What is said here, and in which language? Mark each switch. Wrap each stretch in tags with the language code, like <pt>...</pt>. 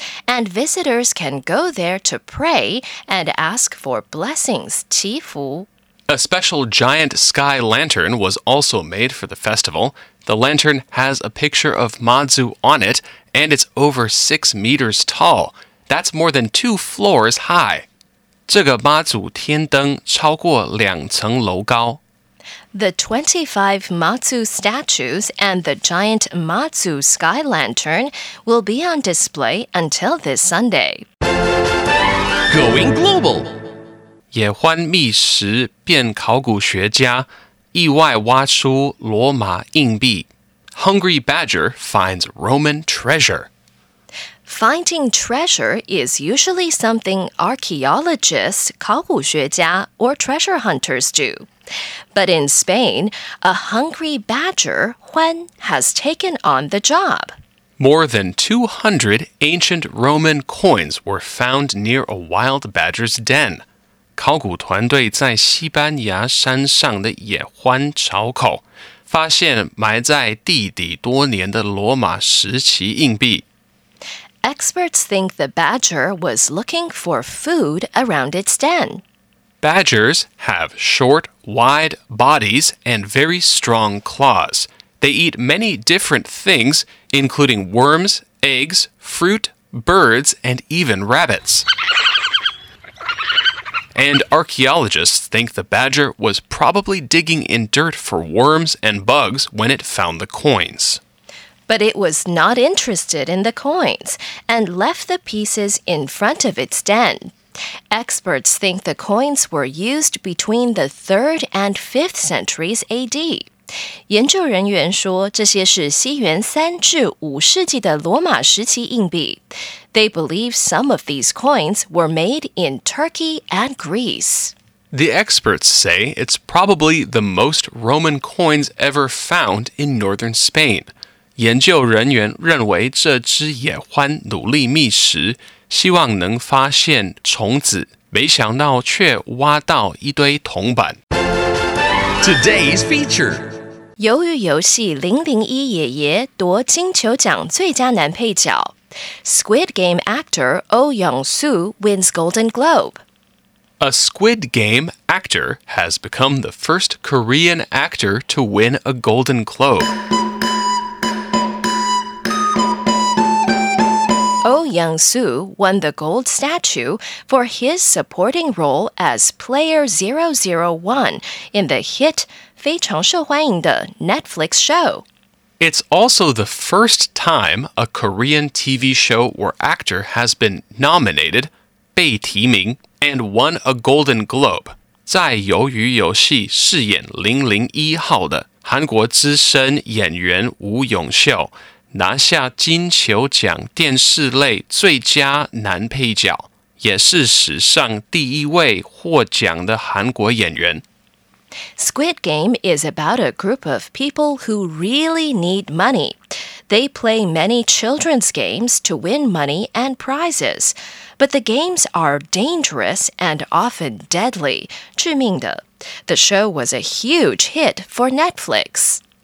<en>And visitors can go there to pray and ask for blessings,</en> <zh>祈福。</zh> <en>A special giant sky lantern was also made for the festival. The lantern has a picture of Mazu on it, and it's over 6 meters tall. That's more than 2 floors high.</en> <zh>这个妈祖天灯超过两层楼高。</zh> <en>The 25 Mazu statues and the giant Mazu sky lantern will be on display until this Sunday. Going global!</en> <zh>野獾觅食变考古学家意外挖出罗马硬币</zh> <en>Hungry Badger finds Roman treasure. Finding treasure is usually something archaeologists,</en> <zh>考古学家</zh> <en>or treasure hunters do. But in Spain, a hungry badger,</en> <zh>獾,</zh> <en>has taken on the job. More than 200 ancient Roman coins were found near a wild badger's den.</en> <zh>考古团队在西班牙山上的野獾巢口发现埋在地底多年的罗马时期硬币。</zh> <en>Experts think the badger was looking for food around its den. Badgers have short, wide bodies and very strong claws. They eat many different things, including worms, eggs, fruit, birds, and even rabbits. And archaeologists think the badger was probably digging in dirt for worms and bugs when it found the coins. But it was not interested in the coins and left the pieces in front of its den. Experts think the coins were used between the 3rd and 5th centuries AD.</en> <zh>研究人员说这些是西元三至五世纪的罗马时期硬币。</zh> <en>They believe some of these coins were made in Turkey and Greece. The experts say it's probably the most Roman coins ever found in northern Spain.</en> <zh>研究人员认为这只野獾努力觅食，希望能发现虫子，没想到却挖到一堆铜板。</zh> <en>Today's feature.</en> <zh>鱿鱼游戏001爷爷夺金球奖最佳男配角。</zh> <en>Squid Game actor Oh Young-soo wins Golden Globe. A Squid Game actor has become the first Korean actor to win a Golden Globe. Ouyang Su won the gold statue for his supporting role as Player 001 in the hit</en> <zh>非常受欢迎的</zh> <en>Netflix show. It's also the first time a Korean TV show or actor has been nominated,</en> <zh>被提名,</zh> <en>and won a Golden Globe.</en> <zh>在鱿鱼游戏饰演001号的韩国资深演员吴永秀拿下金球奖电视类最佳男配角，也是史上第一位获奖的韩国演员。</zh> <en>Squid Game is about a group of people who really need money. They play many children's games to win money and prizes. But the games are dangerous and often deadly,</en> <zh>致命的。</zh> <en>The show was a huge hit for Netflix.</en>